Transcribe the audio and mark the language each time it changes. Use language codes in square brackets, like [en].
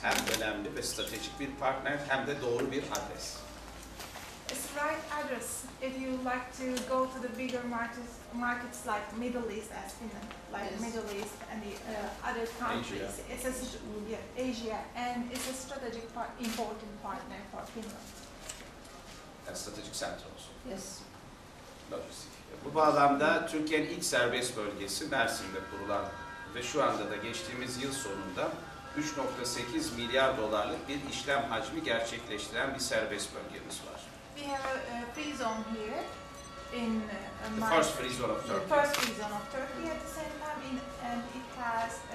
[tr] Hem önemli ve stratejik bir partner hem de doğru bir adres. [en] It's right address if you like to go to the bigger markets like Middle East as Finland, like yes. Middle East and the other countries. Asia. It's Asia and it's a strategic important partner for Finland. A strategic center also. Yes. Logistic. [tr] Bu bağlamda Türkiye'nin ilk serbest bölgesi Mersin'de kurulan ve şu anda da geçtiğimiz yıl sonunda 3.8 milyar dolarlık bir işlem hacmi gerçekleştiren bir serbest bölgemiz var. [en] We have a free zone here in the first free zone of Turkey. The first free zone of Turkey at the same time, and it has